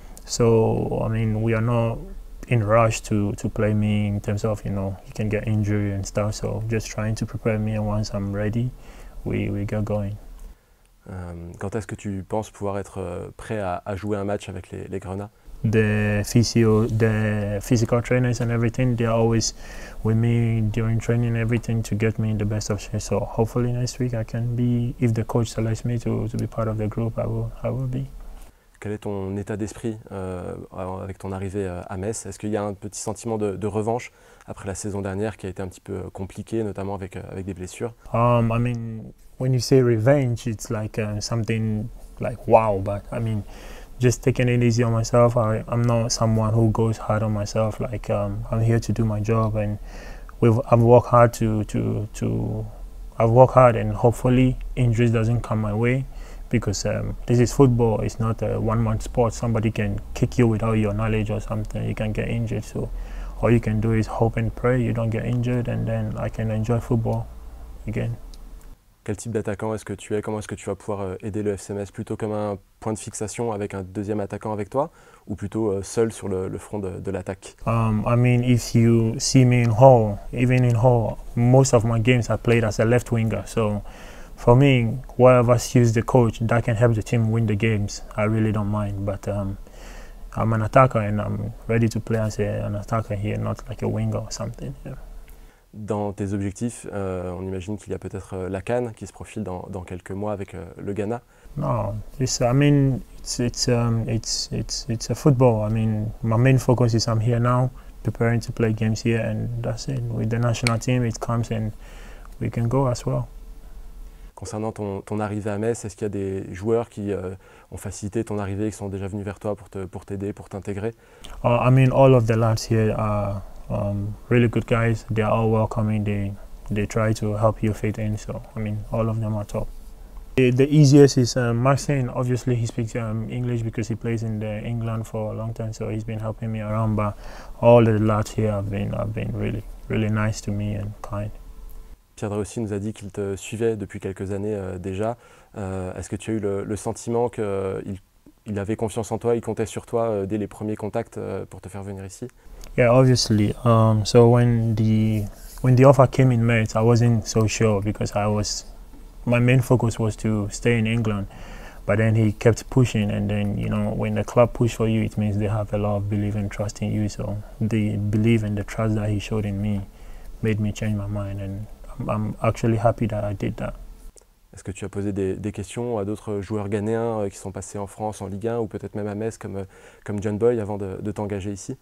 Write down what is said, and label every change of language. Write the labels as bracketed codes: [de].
[en] So, I mean, we are not in a rush to play me in terms of, you know, you can get injured and stuff. So, just trying to prepare me, and once I'm ready, we get going. [fr] Quand est-ce que tu penses pouvoir être prêt à jouer un match avec les Grenats? [en] The physical trainers and everything, they are always with me during training and everything to get me in the best of shape. So, hopefully next week I can be, if the coach selects me to be part of the group, I will be. [fr] Quel est ton état d'esprit avec ton arrivée à Metz? Est-ce qu'il y a un petit sentiment de revanche après la saison dernière qui a été un petit peu compliquée, notamment avec des blessures? [en] I mean, when you say revenge, it's like something like wow. But I mean, just taking it easy on myself. I'm not someone who goes hard on myself. Like I'm here to do my job, and I've worked hard, and hopefully injuries doesn't come my way. Because this is football, it's not a one-man sport. Somebody can kick you without your knowledge or something, you can get injured. So all you can do is hope and pray you don't get injured, and then I can enjoy football again. [fr] Quel type d'attaquant est-ce que tu es? Comment est-ce que tu vas pouvoir aider le FCMS? Plutôt comme un point de fixation avec un deuxième attaquant avec toi, ou plutôt seul sur le front de l'attaque? [en] I mean, if you see me in Hull, even in Hull, most of my games I played as a left winger. So for me, whatever suits the coach, that can help the team win the games. I really don't mind, but I'm an attacker and I'm ready to play as an attacker here, not like a winger or something. Yeah. [fr] Dans tes objectifs, on imagine qu'il y a peut-être la CAN qui se profile dans quelques mois avec le Ghana. [en] No, it's a football. I mean, my main focus is I'm here now, preparing to play games here, and that's it. With the national team, it comes and we can go as well. [fr] Concernant ton arrivée à Metz, est-ce qu'il y a des joueurs qui ont facilité ton arrivée et qui sont déjà venus vers toi pour t'aider, pour t'intégrer? [en] I mean, all of the lads here are really good guys. They are all welcoming. They try to help you fit in. So, I mean, all of them are top. The easiest is Marseille. Obviously, he speaks English because he plays in England for a long time. So, he's been helping me around. But all the lads here have been really, really nice to me and kind. [fr] Pierre Dréossi nous a dit qu'il te suivait depuis quelques années déjà. Est-ce que tu as eu le sentiment qu'il avait confiance en toi, il comptait sur toi dès les premiers contacts pour te faire venir ici? [en] Yeah, obviously. So when the offer came in Metz, I wasn't so sure because my main focus was to stay in England. But then he kept pushing, and then, you know, when the club push for you, it means they have a lot of belief and trust in you. So the belief and the trust that he showed in me made me change my mind, and I'm actually happy that I did that. [fr] Est-ce que tu as posé des questions à d'autres joueurs ghanéens qui sont passés en France, en Ligue 1, ou peut-être même à Metz, comme John Boy, avant de t'engager ici?